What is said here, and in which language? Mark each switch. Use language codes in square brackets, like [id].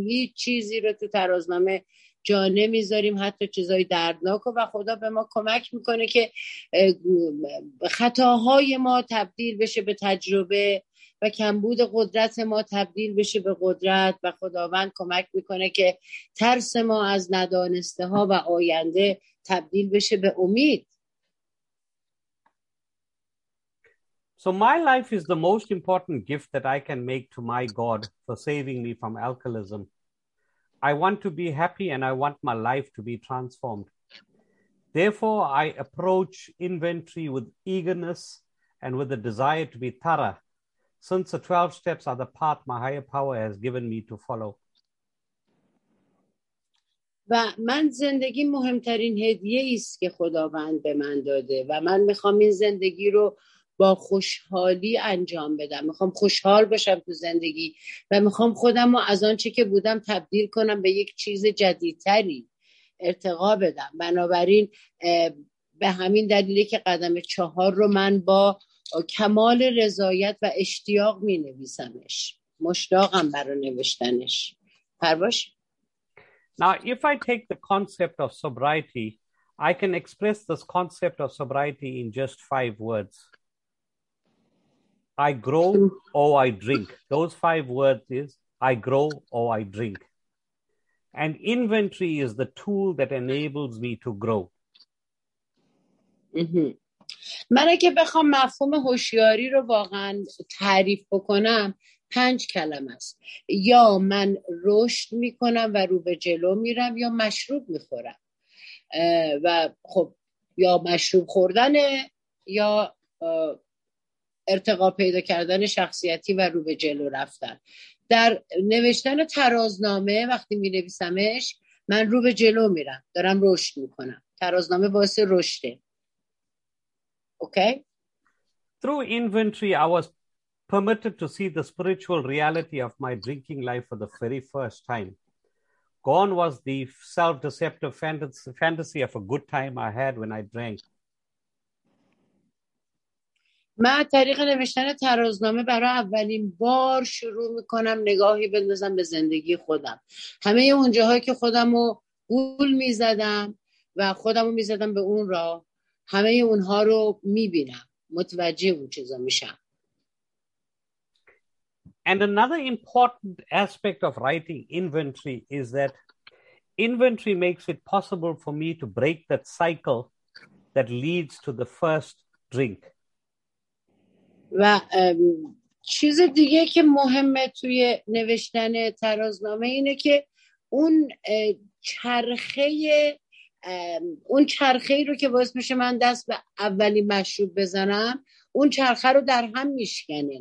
[fa] هیچ چیزی رو تو ترازنامه جا نمیذاریم، حتی چیزای دردناک رو، و خدا به ما کمک میکنه که خطاهای ما تبدیل بشه به تجربه و کمبود قدرت ما تبدیل بشه به قدرت، و خداوند کمک میکنه که ترس ما از ندانسته ها و آینده تبدیل بشه به امید. [en] So my life is the most important gift that I can make to my God for saving me from alcoholism. I want to be happy and I want my life to be transformed. Therefore, I approach inventory with eagerness and with a desire to be thorough, since the 12 steps are the path my higher power has given me to follow. [fa] و من زندگی مهمترین هدیه ایست که خداوند به من داده و من میخوام این زندگی رو با با خوشحالی انجام بدم. میخوام خوشحال باشم تو زندگی و میخوام خودم رو از آنچه که بودم تبدیل کنم به یک چیز جدیدتری، ارتقا بدم. بنابراین به همین دلیلی که قدم چهار رو من با کمال رضایت و اشتیاق می نویسمش، مشتاقم برای نوشتنش. پرواش؟ [en] Now, if I take the concept of sobriety, I can express this concept of sobriety in just 5 words. I grow or I drink. Those 5 words is I grow or I drink. And inventory is the tool that enables me to grow. [fa] من اگه بخوام مفهوم هوشیاری رو واقعا تعریف بکنم، 5 کلمه است. یا من رشد میکنم و رو به جلو میرم، یا مشروب میخورم. و خب یا مشروب خوردنه یا ارتقا پیدا کردن شخصیتی و رو به جلو رفتن. در نوشتن ترازنامه وقتی می نویسمش، من رو به جلو میرم، دارم رشد میکنم. ترازنامه باعث رشده. [en] Okay? Through inventory, I was permitted to see the spiritual reality of my drinking life for the very first time. Gone was the self-deceptive fantasy of a good time I had when I drank. [fa] ما طریق نوشتن ترازنامه برای اولین بار شروع میکنم نگاهی بندازم به زندگی خودم. همه اونجاهایی که خودمو گول میزدم و خودمو میزدم به اون راه، همه اونها رو میبینم، متوجه اون چیزا میشم. [en] And another important aspect of writing inventory is that inventory makes it possible for me to break that cycle that leads to the first drink. [fa] و چیز دیگه که مهمه توی نوشتن ترازنامه اینه که اون چرخه‌ای رو که باعث میشه من دست به اولی مشروب بزنم، اون چرخه رو در هم میشکنه.